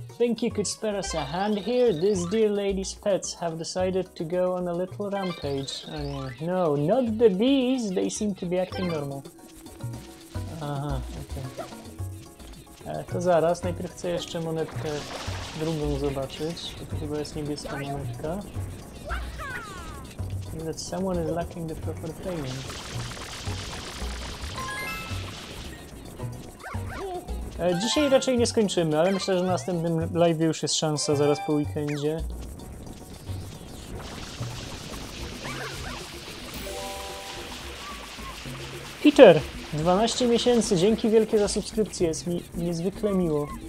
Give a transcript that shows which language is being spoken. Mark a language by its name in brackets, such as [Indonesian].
[English] Think you could spare us a hand here? These dear lady's pets have decided to go on a little rampage. No, not the bees. They seem to be acting normal. [Polish] Aha, okej. Okay. To zaraz. Najpierw chcę jeszcze monetkę drugą zobaczyć. To chyba jest niebieska monetka. [English] That someone is lacking the proper training. [Polish] Dzisiaj raczej nie skończymy, ale myślę, że na następnym live już jest szansa zaraz po weekendzie. Peter! 12 miesięcy, dzięki wielkie za subskrypcję, jest mi niezwykle miło.